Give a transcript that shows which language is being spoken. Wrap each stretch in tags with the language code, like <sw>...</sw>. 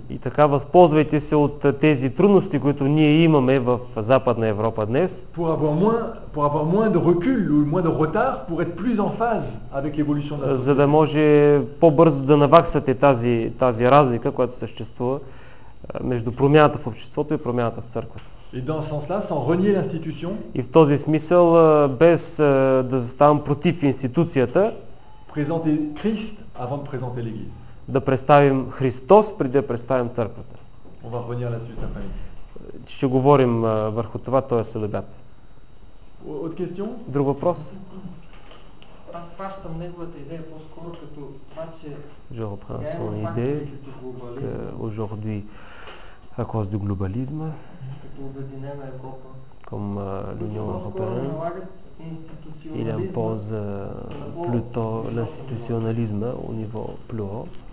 <bg>И така възползвайте се от тези трудности, които ние имаме в Западна Европа днес.</bg> <fr>Pour avoir moins de recul ou moins de retard pour être plus en phase avec l'évolution de la société.</fr> <bg>За да може по-бързо да наваксате тази разлика, която съществува между промяната в обществото и промяната в църквата.</bg> <fr>Et dans ce sens-là, sans renier l'institution.</fr> <bg>И в този смисъл, без да заставам против институцията,</bg> <fr>présenter Christ avant de présenter l'église.</fr> <bg>Да представим Христос преди да представим църквата.</bg> <fr>On va revenir là-dessus cet après-midi.</fr> <bg>Ще говорим върху това този следобед.</bg> <fr>Autre question?</fr> <bg>Друг въпрос? Аз пращам неговата идея по-скоро като това, че</bg> <fr>Je reprends son idée que aujourd'hui à cause du globalisme</fr> <bg>като обединена Европа</bg> <fr>comme l'Union européenne. il impose plutôt l'institutionnalisme au niveau plus haut.</fr>